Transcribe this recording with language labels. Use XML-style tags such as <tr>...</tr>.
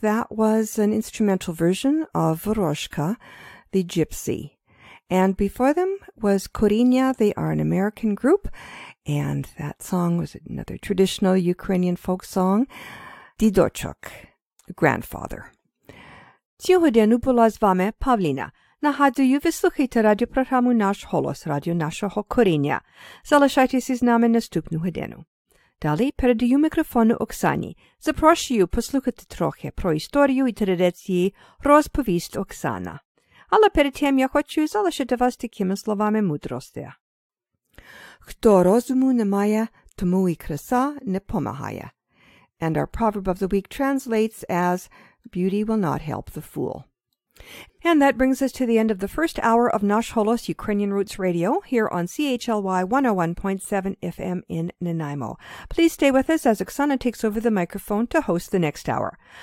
<en>That was an instrumental version of Voroshka, the Gypsy. And before them was Korinya. They are an American group. And that song was another traditional Ukrainian folk song, Didochok, Grandfather.</en> <uk>Сьогодні ну була з вами Павліна. Нагадую, ви слухаєте радіопрограму «Наш голос», радіо нашого коріння. Залишайтеся з нами наступну годину. Далі передаю мікрофон Оксані. Запрошую послухати трохи про історію і традиції розповість Оксана. Але перед тим я хочу залишити вас такими словами мудрості. Хто розуму не має, тому і краса не помагає.</uk> <en>And our proverb of the week translates as, beauty will not help the fool. And that brings us to the end of the first hour of Nash Holos Ukrainian Roots Radio here on CHLY 101.7 FM in Nanaimo. Please stay with us as Oksana takes over the microphone to host the next hour.</en>